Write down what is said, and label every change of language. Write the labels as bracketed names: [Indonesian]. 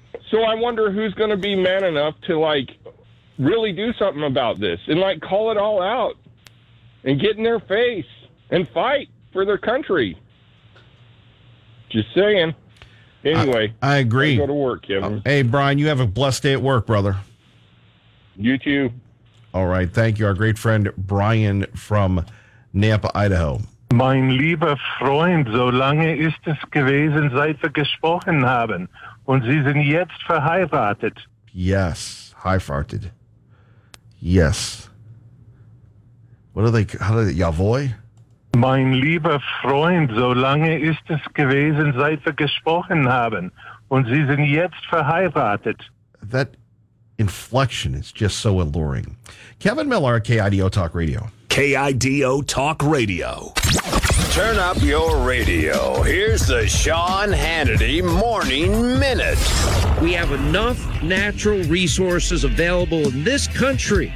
[English] So I wonder who's going to be man enough to, like, really do something about this and, like, call it all out and get in their face and fight for their country. Just saying. Anyway. I agree. Go to work, Kevin. Hey, Brian, you have a blessed day at work, brother. You too. All right. Thank you. Our great friend, Brian from Napa, Idaho. [German] Mein lieber Freund, so lange ist es gewesen, seit wir gesprochen haben. Und Sie sind jetzt verheiratet. [English] Yes. Heiratet. Yes. What are they? How do they? Jawohl? [German] Mein lieber Freund, so lange ist es gewesen, seit wir gesprochen haben. Und Sie sind jetzt verheiratet. [English] That inflection is just so alluring. Kevin Miller, KIDO Talk Radio. KIDO Talk Radio. Turn up your radio. Here's the Sean Hannity Morning Minute. We have enough natural resources available in this country.